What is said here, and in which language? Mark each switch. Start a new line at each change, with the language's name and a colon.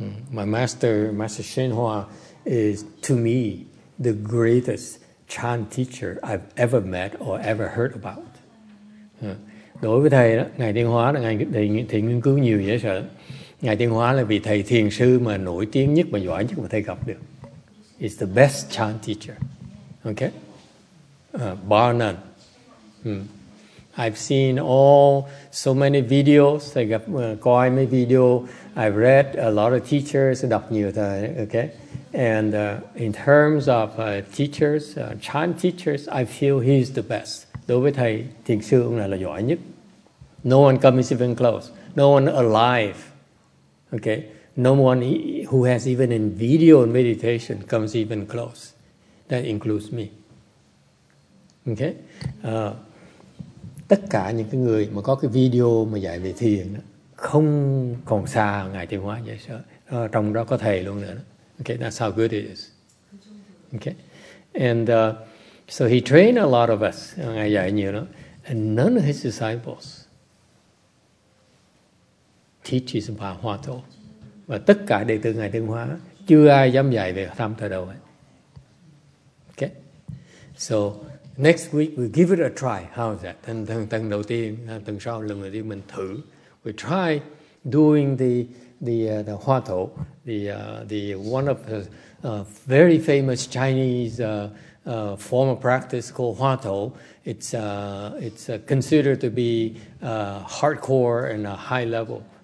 English: My master Shen Hua is to me the greatest chant teacher I've ever met or ever heard about.
Vietnamese: Đối với thầy đó, ngài Thiền Hóa là ngài thầy nghiên cứu nhiều dễ sợ. Ngài Thiền Hóa là vị thầy thiền sư mà nổi tiếng nhất và giỏi nhất mà thầy gặp được.
English: He's the best chant teacher. Okay? Bar none. I've seen so many videos. I got
Vietnamese: coi mấy video.
English: I've read a lot of teachers.
Vietnamese: Đọc nhiều thầy,
English: okay. And in terms of teachers, chant teachers, I feel he's the best.
Vietnamese: Đối với thầy thiền sư ông này là giỏi nhất.
English: No one comes even close. No one alive, okay. No one who has even in video and meditation comes even close. That includes me. Okay.
Vietnamese: Tất cả những cái người mà có cái video mà dạy về thiền đó, không còn xa ngài Thiền Hóa dễ sợ. Trong đó có thầy luôn nữa.
English: Okay, that's how good it is. Okay. And so he trained a lot of us.
Vietnamese: Ngài dạy nhiều lắm.
English: And none of his disciples teaches about Hoa Thổ.
Vietnamese: Và tất cả đệ tử ngài Thiền Hóa chưa ai dám dạy về tham thời đầu ấy. Okay.
English: So next week we give it a try. How's that?
Vietnamese: Tuần đầu tiên, tuần sau lần đầu tiên mình thử.
English: We try doing the Hoa Thổ, the one of the very famous Chinese formal practice called Huato. It's considered to be hardcore and a high level.